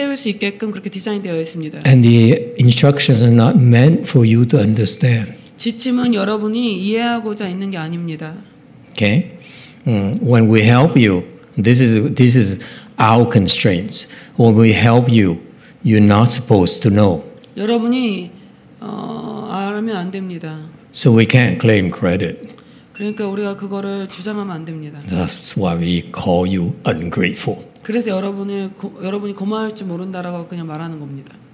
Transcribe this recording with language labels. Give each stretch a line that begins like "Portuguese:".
English: and the instructions are not meant for you to understand.
Korean: 지침은 여러분이 이해하고자 있는 게 아닙니다.
English: Okay. When we help you, this is our constraints. When we help you, you're not supposed to know.
Korean: 여러분이 알면 안 됩니다.
English: So we can't claim credit.
Korean: 그러니까 우리가 그거를 주장하면 안 됩니다.
English: That's why we call you ungrateful.
Korean: 그래서 여러분이 고마울 줄 모른다라고 그냥 말하는 겁니다.